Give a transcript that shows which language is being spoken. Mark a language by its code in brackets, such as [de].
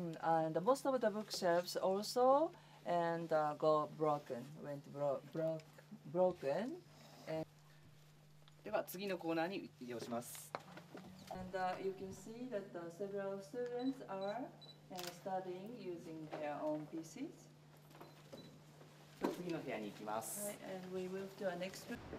[en] And most of the bookshelves also and go broken. Went broken. [ja] では次のコーナーに移動します。 [en] And, you can see that several students are studying using their own PCs. [ja] 次の部屋に行きます。 [en] Right, and we move to our next room.